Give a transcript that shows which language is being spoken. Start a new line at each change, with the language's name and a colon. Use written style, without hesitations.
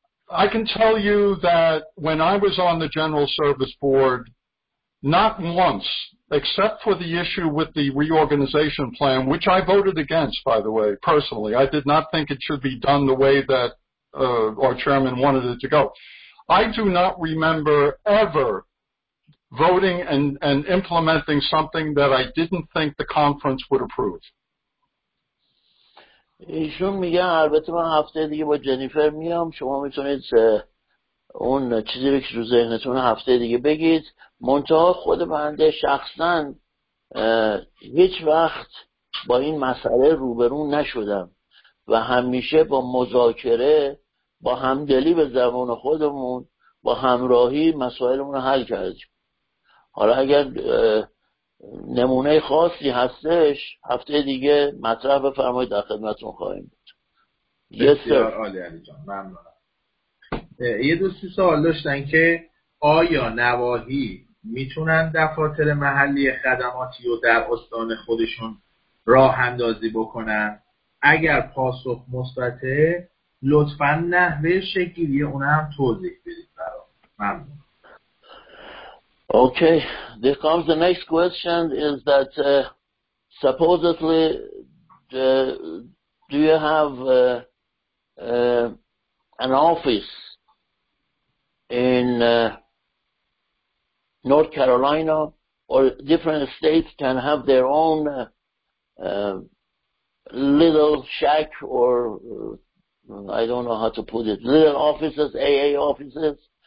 English: I can tell you that when I was on the General Service Board, not once, except for the issue with the reorganization plan, which I voted against, by the way, personally. I did not think it should be done the way that our chairman wanted it to go. I do not remember ever voting and implementing something that I didn't think the conference would approve.
Persian: ایشون میگه البته من هفته دیگه با جنیفر میام، شما میتونید اون چیزی رو که رو ذهنتون هفته دیگه بگید. منتها خود بنده شخصا هیچ وقت با این مسئله روبرو نشدم و همیشه با مذاکره، با همدلی به زبان خودمون، با همراهی مسائلمون رو حل کردیم. حالا اگر نمونه خاصی هستش هفته دیگه مطرح بفرمایید، در خدمتتون خواهیم بود. بسیار عالی علی جان، ممنونم. یه دوستی سوال داشتن که آیا نواحی میتونن دفاتر محلی خدماتی رو در استان خودشون راه اندازی بکنن؟ اگر پاسخ مثبته لطفاً نحوه شکلی اونم توضیح بدید برام. ممنون.
English: Okay, there comes the next question is that supposedly do you have an office in North Carolina or different states can have their own little shack or I don't know how to put it, little offices, AA offices?